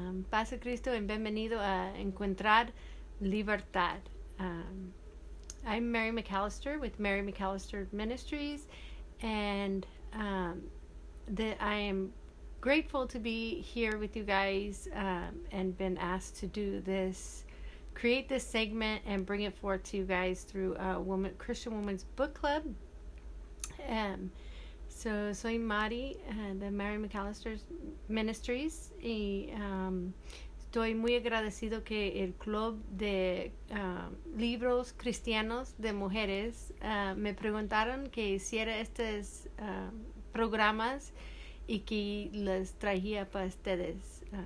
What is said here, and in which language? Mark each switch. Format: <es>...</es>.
<es>Paz a Cristo y bienvenido a Encontrar Libertad.</es> <en>I'm Mary McAllister with Mary McAllister Ministries, and I am grateful to be here with you guys and been asked to do this, create this segment and bring it forth to you guys through Christian Woman's Book Club.</en> <es>So soy Mari de Mary McAllister Ministries y estoy muy agradecido que el club de libros cristianos de mujeres me preguntaron que hiciera estos programas y que les traía para ustedes.</es>